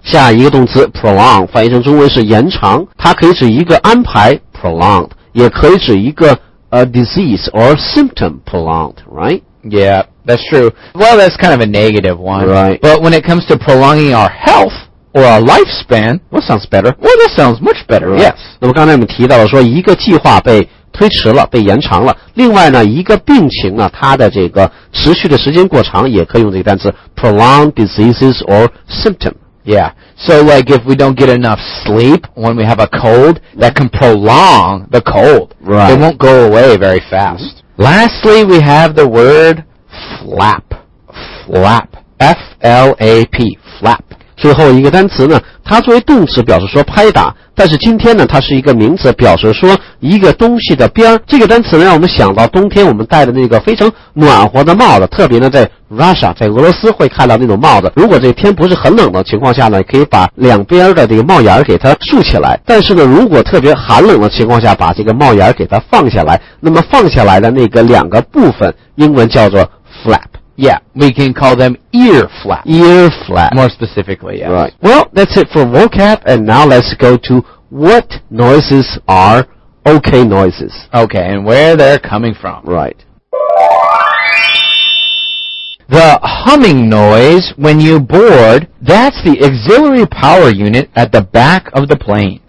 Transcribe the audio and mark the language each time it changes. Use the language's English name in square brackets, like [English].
[Chinese] 下一个动词 prolong 翻译成中文是延长，它可以指一个安排 prolonged， 也可以指一个 a disease or symptom prolonged, right? [English] Yeah, that's true. Well, that's kind of a negative one. Right. But when it comes to prolonging our health or our lifespan, what sounds better? Well, that sounds much better, right? Yes. [Chinese] 那么刚才我们提到了说一个计划被推迟了，被延长了。另外呢，一个病情呢，它的这个持续的时间过长，也可以用这个单词 prolonged diseases or symptom. [English] Yeah. So like if we don't get enough sleep when we have a cold, that can prolong the cold. Right. It won't go away very fast. Lastly, we have the word flap. Flap. F-L-A-P. Flap. [Chinese] 最后一个单词呢，它作为动词表示说拍打，但是今天呢它是一个名词，表示说一个东西的边。这个单词呢让我们想到冬天我们戴的那个非常暖和的帽子，特别呢在 Russia 在俄罗斯会看到那种帽子，如果这天不是很冷的情况下呢，可以把两边的这个帽檐给它竖起来，但是呢如果特别寒冷的情况下把这个帽檐给它放下来，那么放下来的那个两个部分英文叫做 flap。 [English] Yeah, we can call them ear flap. Ear flap. More specifically, yes. Right. Well, that's it for vocab, and now let's go to what noises are okay noises. Okay, and where they're coming from. Right. The humming noise when you board, that's the auxiliary power unit at the back of the plane.